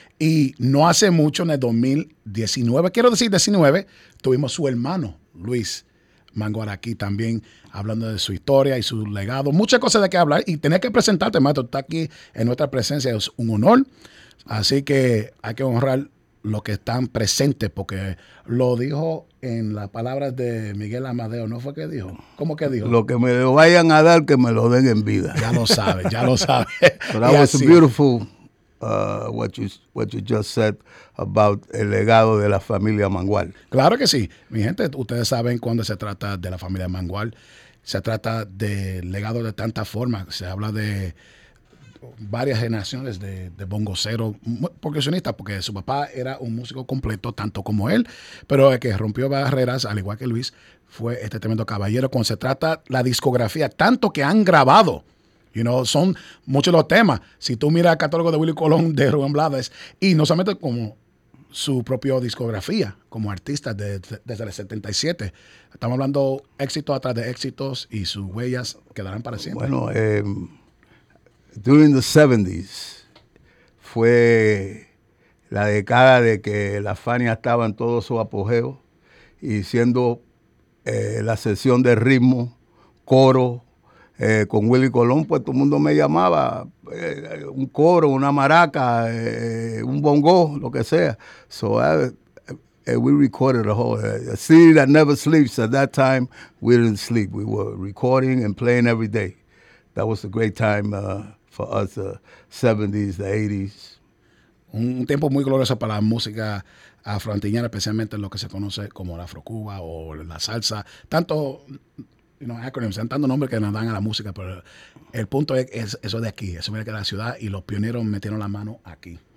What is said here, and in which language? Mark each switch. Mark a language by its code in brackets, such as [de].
[es] Y no hace mucho, en el 2019, quiero decir 19, tuvimos su hermano Luis Manguar aquí también hablando de su historia y su legado. Muchas cosas de qué hablar y tener que presentarte, maestro. Está aquí en nuestra presencia, es un honor. Así que hay que honrar los que están presentes, porque lo dijo en las palabras de Miguel Amadeo, ¿no fue que dijo? ¿Cómo que dijo? Lo que me lo vayan a dar, que me lo den en vida. Ya lo sabe. [en] But that was beautiful, what you just said about [es] el legado de la familia Mangual. Claro que sí. Mi gente, ustedes saben, cuando se trata de la familia Mangual, se trata de legado de tantas formas. Se habla de varias generaciones de bongoceros percusionistas, porque su papá era un músico completo, tanto como él, pero el que rompió barreras, al igual que Luis, fue este tremendo caballero. Cuando se trata la discografía, tanto que han grabado, you know, son muchos los temas. Si tú miras el catálogo de Willy Colón, de Rubén Blades, y no solamente como su propia discografía como artista desde el 77. Estamos hablando éxito atrás de éxitos y sus huellas quedarán para siempre. Bueno, [en] during the 70s [es] fue la década de que la Fania estaba en todo su apogeo y siendo la sesión de ritmo, coro, con Willy Colón, pues todo el mundo me llamaba, un coro, una maraca, un bongo, lo que sea. [en] So we recorded the whole, a city that never sleeps. At that time, we didn't sleep. We were recording and playing every day. That was a great time for us, the 70s, the 80s. [es] Un tiempo muy glorioso para la música afroantillana, especialmente lo que se conoce como la Afrocuba o la salsa. Tanto, you know, acronyms, tanto nombre que nos dan a la música, pero el punto es eso de aquí, eso viene de la ciudad y los pioneros metieron la mano aquí.